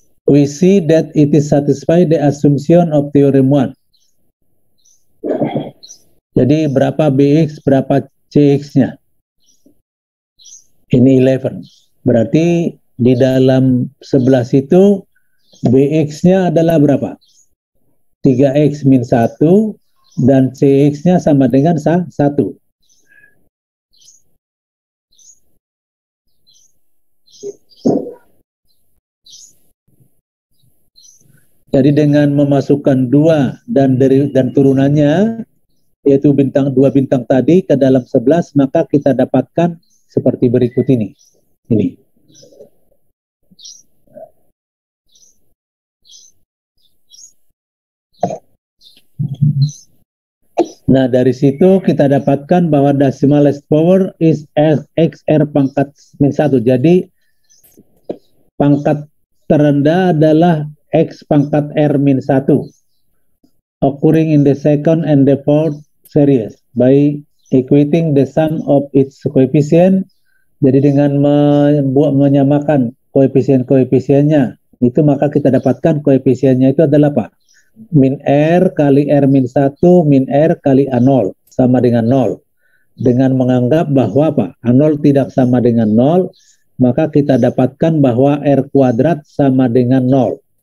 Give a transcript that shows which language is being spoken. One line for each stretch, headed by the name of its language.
English: We see that it is satisfied the assumption of theorem 1.
Indonesian: Jadi berapa BX, berapa CX-nya? Ini 11. Berarti di dalam 11 itu BX-nya adalah berapa? 3X min 1 dan CX-nya sama dengan 1. Jadi dengan memasukkan 2 dan turunannya yaitu bintang 2 bintang tadi ke dalam 11 maka kita dapatkan seperti berikut ini. Ini. Nah, dari situ kita dapatkan bahwa
English: decimal least power is
Indonesian: XR pangkat min 1. Jadi, pangkat terendah adalah X pangkat R min 1.
English: Occurring in the second and the fourth series by equating the sum of its coefficient.
Indonesian: Jadi, dengan menyamakan koefisien-koefisiennya, itu maka kita dapatkan koefisiennya itu adalah apa? Min R kali R min 1 min R kali A0 sama dengan 0. Dengan menganggap bahwa apa? A0 tidak sama dengan 0, maka kita dapatkan bahwa R kuadrat sama dengan 0.